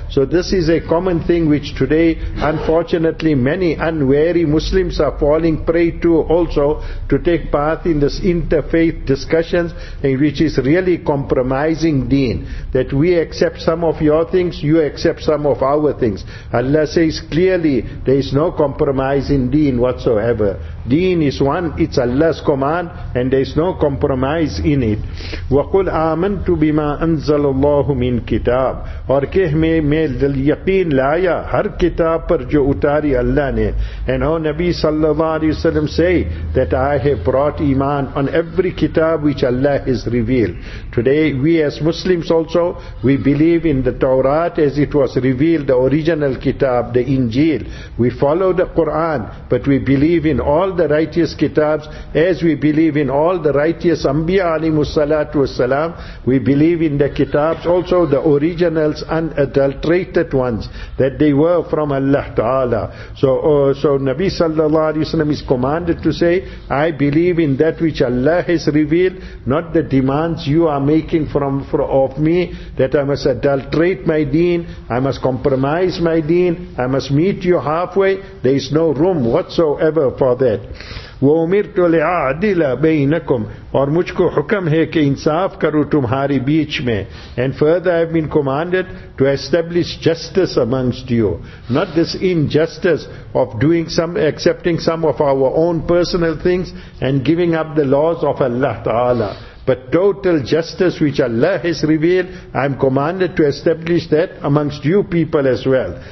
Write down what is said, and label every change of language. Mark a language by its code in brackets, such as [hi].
[en] So this is a common thing which today, unfortunately, many unwary Muslims are falling prey to also, to take part in this interfaith discussions, which is really compromising deen. That we accept some of your things, you accept some of our things. Allah says clearly, there is no compromise in deen whatsoever. Deen is one, it's Allah's command, and there is no compromise in it. [ar] وَقُلْ آمَنْتُ بِمَا أَنزَلُ اللَّهُ مِنْ كِتَاب [ur] اور کہ میں یقین لایا ہر کتاب پر جو اتاری اللہ نے. [en] And oh Nabi sallallahu alayhi wa sallam say that I have brought iman on every kitab which Allah has revealed. Today we as Muslims also, we believe in the Torah as it was revealed, the original kitab, the Injil. We follow the Quran, but we believe in all the righteous kitabs, as we believe in all the righteous Anbiya alayhi salatu wasalam, we believe in the kitabs also, the originals, unadulterated ones, that they were from Allah Ta'ala. So Nabi sallallahu alayhi wa sallam is commanded to say, I believe in that which Allah has revealed, not the demands you are making of me, that I must adulterate my deen, I must compromise my deen, I must meet you halfway. There is no room whatsoever for that. [ar] وَأُمِرْتُ لِعَادِلَ بَيْنَكُمْ [ur] اور مجھ کو حکم ہے کہ انصاف کرو تمہاری بیچ میں. [en] And further I have been commanded to establish justice amongst you. Not this injustice of doing some, accepting some of our own personal things and giving up the laws of Allah Ta'ala. But total justice which Allah has revealed, I am commanded to establish that amongst you people as well.